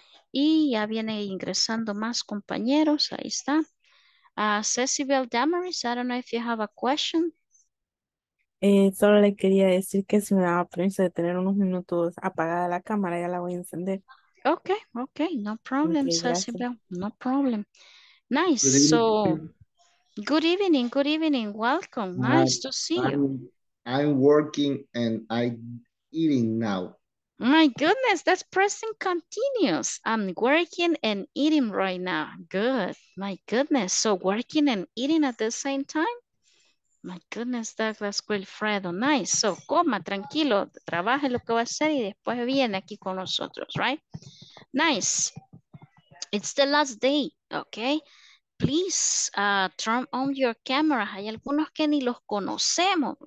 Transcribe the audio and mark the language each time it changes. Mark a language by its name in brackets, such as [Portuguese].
[Spanish] Y ya viene ingresando más compañeros, ahí está. [English] Cecibel Damaris, I don't know if you have a question. [Spanish] Solo le quería decir que si me daba permiso de tener unos minutos apagada la cámara, ya la voy a encender. [English] Okay, no problem, [Spanish] Okay, gracias. [English] Cecibel, no problem. Nice, Good evening. so good evening, welcome, nice to see you. I'm working and I'm eating now. My goodness, that's present continuous. I'm working and eating right now. Good, my goodness, so working and eating at the same time? My goodness, Douglas Wilfredo, nice. [Spanish] So, coma, tranquilo, trabaje lo que va a hacer y después viene aquí con nosotros, right? [English] Nice. It's the last day, okay? Please turn on your cameras. [Spanish] Hay algunos que ni los conocemos.